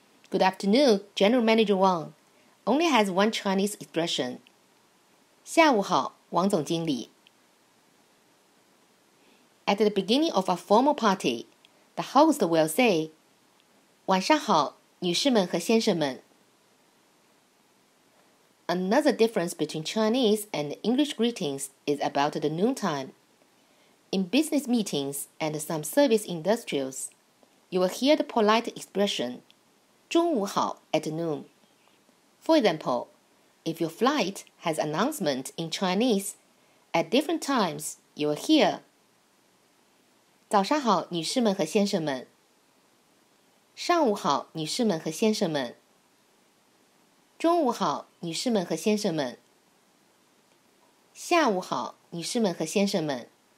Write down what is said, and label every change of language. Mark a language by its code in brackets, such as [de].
[en] Good afternoon, General Manager Wang. Only has one Chinese expression. [zh] 下午好，王总经理。 [en] At the beginning of a formal party, the host will say [zh] 晚上好女士们和先生们。 [en] Another difference between Chinese and English greetings is about the noontime. In business meetings and some service industries, you will hear the polite expression 中午好 at noon. For example, if your flight has announcement in Chinese, at different times you will hear [zh] 早上好女士们和先生们。上午好，女士们和先生们。中午好，女士们和先生们。下午好，女士们和先生们。